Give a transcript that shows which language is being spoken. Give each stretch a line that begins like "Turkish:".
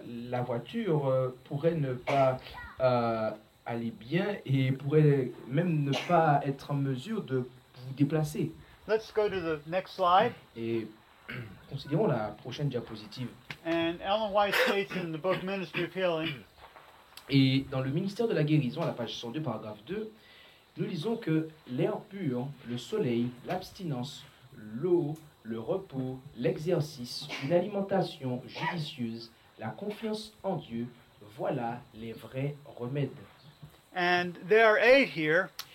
French: La voiture pourrait ne pas aller bien et pourrait même ne pas être en mesure de vous déplacer.
English: Let's go to the next slide.
French: Et considérons la prochaine diapositive.
English: And Ellen White states in the book Ministry of Healing.
French: Et dans le ministère de la guérison, à la page 102, paragraphe 2, nous lisons que l'air pur, le soleil, l'abstinence, l'eau, le repos, l'exercice, une alimentation judicieuse, la confiance en Dieu, voilà les vrais remèdes.
English: And there are eight here.